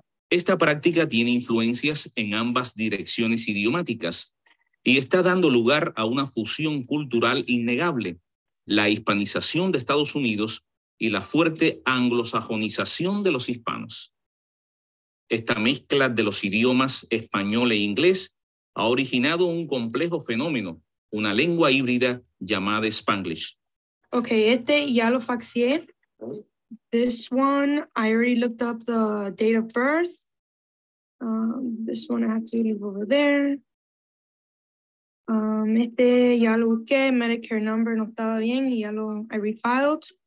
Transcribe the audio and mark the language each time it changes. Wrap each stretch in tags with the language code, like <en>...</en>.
<es>Esta práctica tiene influencias en ambas direcciones idiomáticas y está dando lugar a una fusión cultural innegable, la hispanización de Estados Unidos y la fuerte anglosajonización de los hispanos. Esta mezcla de los idiomas español e inglés ha originado un complejo fenómeno, una lengua híbrida llamada Spanglish. Okay, este ya lo faxié.</es> <en>This one, I already looked up the date of birth. This one I have to leave over there.</en> <es>Este ya lo busqué, Medicare number no estaba bien y ya lo</es> <en>I refiled.</en>